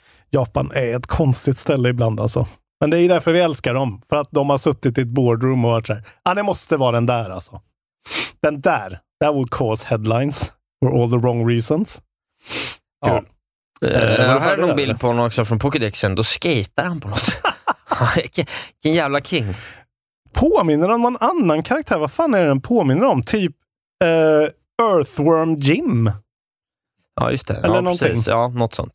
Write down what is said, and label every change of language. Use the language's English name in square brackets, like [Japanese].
[Swedish] Japan är ett konstigt ställe ibland alltså. Men det är ju därför vi älskar dem. För att de har suttit i ett boardroom och varit så här. Ja, det måste vara den där alltså. Den där. [English] That would cause headlines for all the wrong reasons. [Swedish] Ja. Här är någon bild på honom också från Pokédexen. Då skater han på något. Vilken jävla king. Påminner om någon annan karaktär. Vad fan är den påminner om? Typ Earthworm Jim. Ja, just det. Eller ja, någonting. Precis. Ja, något sånt.